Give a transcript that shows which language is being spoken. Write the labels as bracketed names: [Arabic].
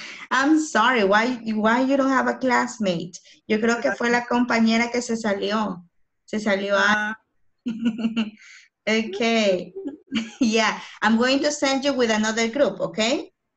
[English] I'm sorry, why you don't have a classmate? [Spanish] Yo creo que fue la compañera que se salió. Se salió a... Okay. [English] Yeah, I'm going to send you with another group, okay?